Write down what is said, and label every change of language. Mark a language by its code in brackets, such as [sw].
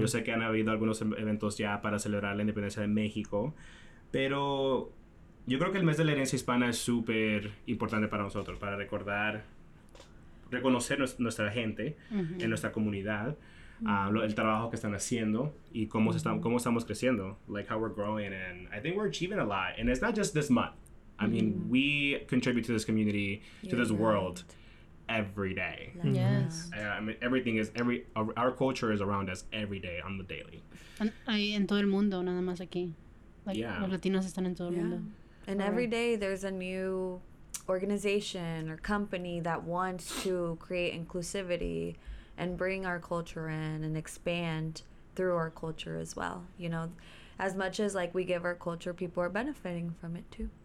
[es] Yo sé que han habido algunos eventos ya para celebrar la independencia de México. Pero yo creo que el mes de la herencia hispana es súper importante para nosotros, para recordar, reconocer nuestra gente, mm-hmm. en nuestra comunidad, mm-hmm. El trabajo que están haciendo y cómo, mm-hmm. cómo estamos creciendo. [en] Like how we're growing, and I think we're achieving a lot. And it's not just this month. I mean, mm-hmm. we contribute to this community, to this world, every day. Yes. I mean, our culture is around us every day, on the daily. [es] Ahí en todo el mundo, nada más aquí. Los latinos están en todo el mundo. [en] And every day there's a new organization or company that wants to create inclusivity and bring our culture in and expand through our culture as well. You know, as much as like we give our culture, people are benefiting from it too.